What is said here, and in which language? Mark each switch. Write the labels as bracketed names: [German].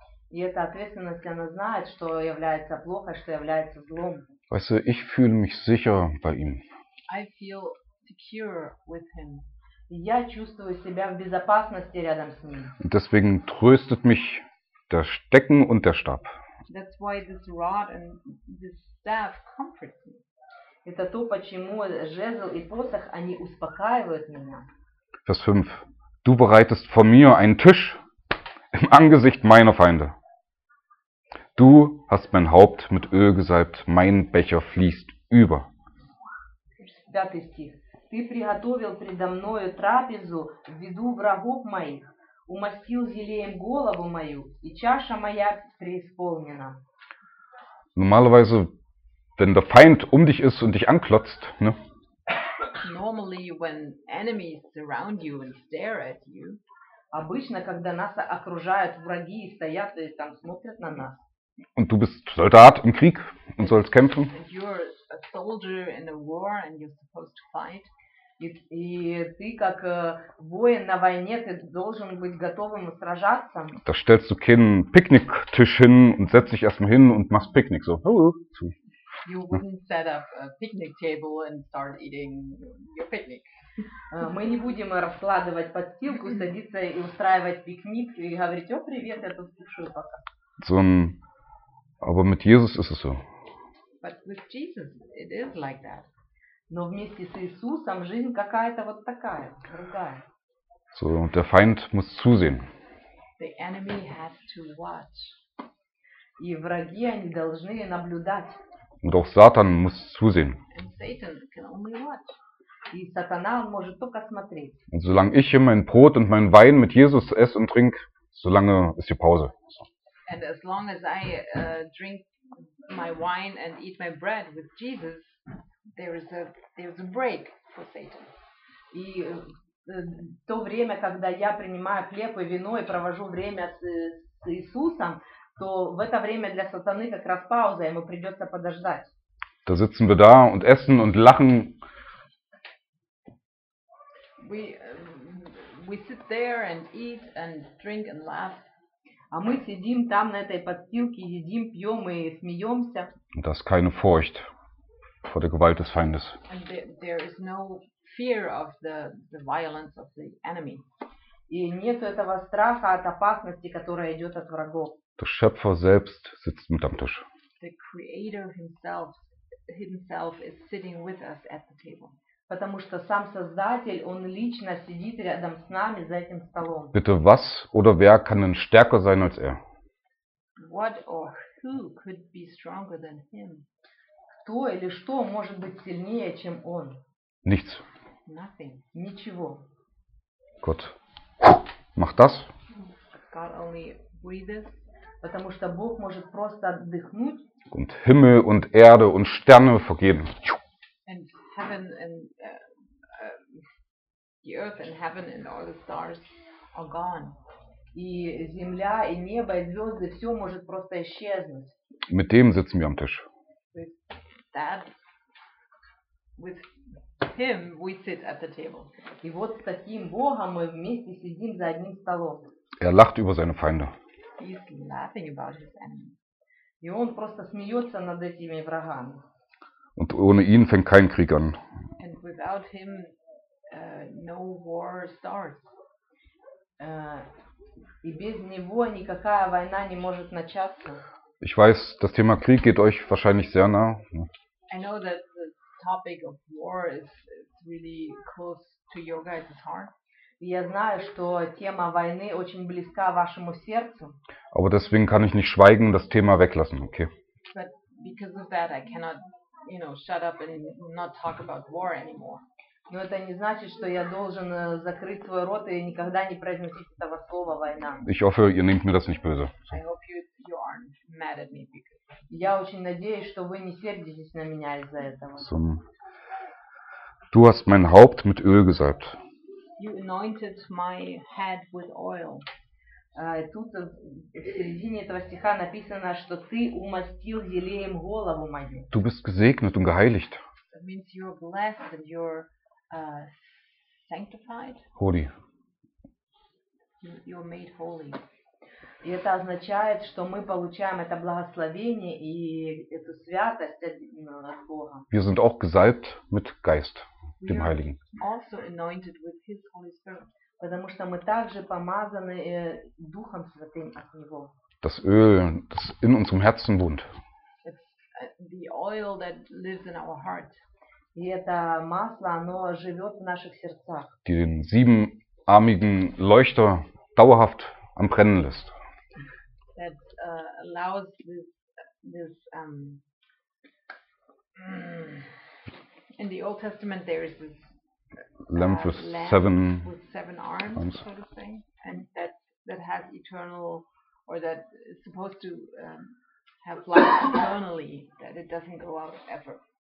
[Russian] И эта ответственность, она знает, что является плохо, что является злом. [German] Weißt du, ich fühle mich sicher bei ihm. [English] I feel secure with him. [Russian] Я чувствую себя в безопасности рядом с ним. [German] Und deswegen tröstet mich der Stecken und der Stab. [English] That's why this rod and this staff comfort me. [Russian] Это то, почему жезл и посох, они успокаивают меня. [German] Vers 5. Du bereitest vor mir einen Tisch im Angesicht meiner Feinde. Du hast mein Haupt mit Öl gesalbt, mein Becher fließt über. [Russian] Пятый стих. Ты приготовил предо мною трапезу в виду врагов моих, умастил зелеем голову мою, и чаша моя преисполнена. [German] Normalerweise, wenn der Feind dich ist und dich anklotzt, ne? [English] Normally, when enemies surround you and stare at you, [Russian] обычно, когда нас окружают враги и стоят и там смотрят на нас. [German] Und du bist Soldat im Krieg und sollst kämpfen. [English] And you're a soldier in a war and you're supposed to fight. [Russian] И ты как воин на войне, ты должен быть готовым сражаться. [German] Da stellst du keinen Picknicktisch hin und setzt dich erstmal hin und machst Picknick so. [English] You wouldn't set up a picnic table and start eating your picnic. [Russian] Мы не будем раскладывать подстилку, садиться и устраивать пикник и говорить: "О, привет, я тут кушаю пока". [German] Aber mit Jesus ist es so. [English] But with Jesus, it is like that. [Russian] Но вместе с Иисусом жизнь какая-то вот такая, другая. [German] So, der Feind muss zusehen. [English] The enemy has to watch. [Russian] И враги, они должны наблюдать. [German] Und auch Satan muss zusehen. [English] And Satan can only watch. [Russian] И Сатана, он может только смотреть. [German] Und solange ich hier mein Brot und mein Wein mit Jesus esse und trinke, solange ist die Pause. [English] And as long as I drink my wine and eat my bread with Jesus, there is a break for Satan. [Russian] И то время, когда я принимаю хлеб и вино и провожу время с Иисусом, то в это время для сатаны как раз пауза, ему придется подождать. [German] Da sitzen wir da und essen und lachen. [English] We sit there and eat and drink and laugh. [Russian] А мы сидим там на этой подстилке, едим, пьем и смеемся. [German] Und das keine Furcht vor der Gewalt des Feindes. [English] And there is no fear of the violence of the enemy. [Russian] И нет этого страха от опасности, которая идет от врагов. [German] Der Schöpfer selbst sitzt mit am Tisch. [English] The Creator himself is sitting with us at the table. [Russian] Потому что сам Создатель, он лично сидит рядом с нами за этим столом. [German] Bitte, was oder wer kann denn stärker sein als er? [English] What or who could be stronger than him? [Russian] Кто или что может быть сильнее, чем он? [German] Nichts. [English] Nothing. [Russian] Ничего. [German] Gott. Mach das. [English] God only breathes. [Russian] Потому что Бог может просто отдыхнуть. [German] Und Himmel und Erde und Sterne vergeben. [English] Heaven and the earth and heaven and all the stars are gone. [Russian] И земля, и небо, и звезды, все может просто исчезнуть. [German] Mit dem sitzen wir am Tisch. [English] With him we sit at the table. [Russian] И вот с таким Богом мы вместе сидим за одним столом. [German] Er lacht über seine Feinde. [English] He's laughing about his enemies. [Russian] И он просто смеется над этими врагами. [German] Und ohne ihn fängt kein Krieg an. [English] And without him, no war starts. [Russian] И без него никакая война не может начаться. [German] Ich weiß, das Thema Krieg geht euch wahrscheinlich sehr nah. [English] I know that the topic of war is really close to your guys' heart. [Russian] Я знаю, что тема войны очень близка вашему сердцу. [German] Aber deswegen kann ich nicht schweigen, das Thema weglassen, okay? [English] But because of that, I cannot, you know, shut up and not talk about war anymore. [Russian] Но это не значит, что я должен закрыть свой рот и никогда не произносить этого слова война. [German] Ich hoffe, ihr nehmt mir das nicht böse. [English] I hope you aren't mad at me because. [Russian] Я очень надеюсь, что вы не сердитесь на меня из-за этого. [German] So, du hast mein Haupt mit Öl gesalbt. [English] You anointed my head with oil. [Russian] Тут в середине этого стиха написано, что ты умастил елеем голову мою. [German] Du bist gesegnet und geheiligt. [English] That means you are blessed and you are sanctified. Holy. You are made holy. [Russian] И это означает, что мы получаем это благословение и эту святость от Бога. [German] Wir sind auch gesalbt mit Geist, dem Heiligen. [English] We are also anointed with His Holy Spirit. [Russian] Потому что мы также помазаны Духом Святым от Него. [German] Das Öl, das in unserem Herzen wohnt. [English] It's the oil that lives in our heart. [Russian] И это масло, оно живет в наших сердцах. [German] Die den siebenarmigen Leuchter dauerhaft am Brennen lässt. [English] That allows this in the Old Testament there is this Lamp with seven arms, so to say, and that has eternal, or that is supposed to have life eternally, that it doesn't go out ever.